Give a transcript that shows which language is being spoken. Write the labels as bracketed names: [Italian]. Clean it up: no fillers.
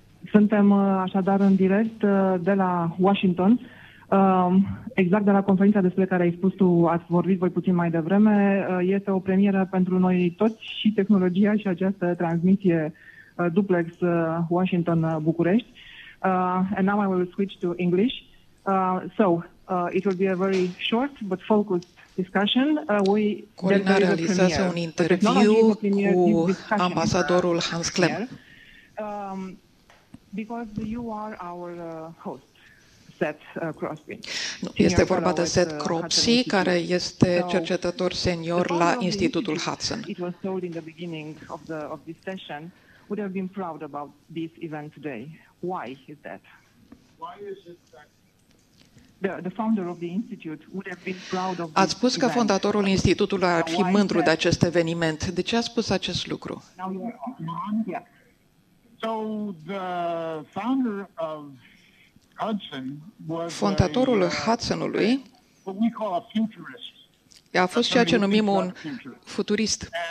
[Romanian] Suntem așadar în direct de la Washington, exact de la conferința despre care ai spus tu, ați vorbit voi puțin mai devreme. Este o premieră pentru noi toți și tehnologia și această transmisie duplex Washington-București. [English] And now I will switch to English. So, it will be a very short but focused discussion. [Romanian] Corina realizează un interviu cu ambasadorul Hans Klemm. [English] Because you are our host, Seth Crosby. [Romanian] Nu, este vorba de Seth Cropsey, care este cercetător senior la Institutul Hudson. [English] It was told in the beginning of this session, would have been proud about this event today. Why is that? Why is it that the founder of the institute would have been proud of this? [Romanian] Ați spus că fondatorul institutului ar fi mândru de acest eveniment. De ce a spus acest lucru? [English] So the founder of Hudson was [Romanian] fondatorul Hudsonului. [English] What we call a futurist. [Romanian] A fost ceea ce numim un futurist.